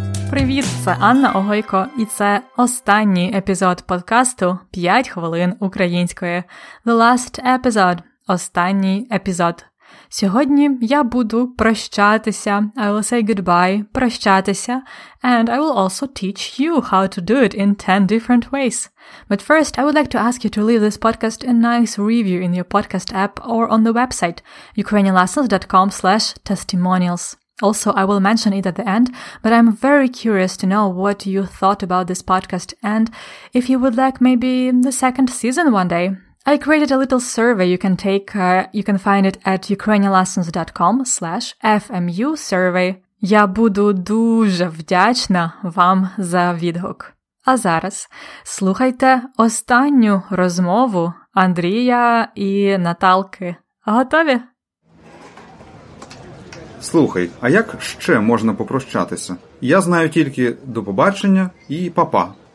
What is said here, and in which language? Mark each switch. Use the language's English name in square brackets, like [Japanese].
[Ukrainian] Привіт, це Анна Огойко, і це останній епізод подкасту 5 хвилин української. [English] The last episode. [Ukrainian] Останній епізод. Сьогодні я буду прощатися. [English] I will say goodbye, прощатися. And I will also teach you how to do it in 10 different ways. But first, I would like to ask you to leave this podcast a nice review in your podcast app or on the website ukrainianlessons.com/testimonials. Also, I will mention it at the end, but I'm very curious to know what you thought about this podcast and if you would like maybe the second season one day. I created a little survey you can take, you can find it at ukrainianlessons.com/FMU survey. [Ukrainian] Я буду дуже вдячна вам за відгук. А зараз слухайте останню розмову Андрія і Наталки. Готові? Слухай, а як ще можна попрощатися? Я знаю тільки до побачення і па-па.